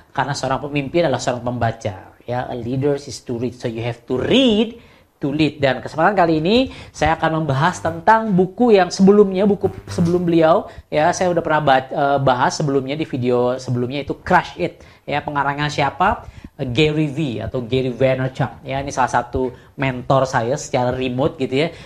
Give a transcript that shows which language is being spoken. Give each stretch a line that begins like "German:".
Indonesian: Karena seorang pemimpin adalah seorang pembaca.
English: Ya, a leader is to read, so you have to read to lead.
Indonesian: Dan kesempatan kali ini saya akan membahas tentang buku yang sebelumnya, buku sebelum beliau, ya, saya udah pernah bahas sebelumnya di video sebelumnya, itu Crush It. Ya, pengarangnya siapa? Gary V atau Gary Vaynerchuk, ya, ini salah satu mentor saya secara remote gitu ya.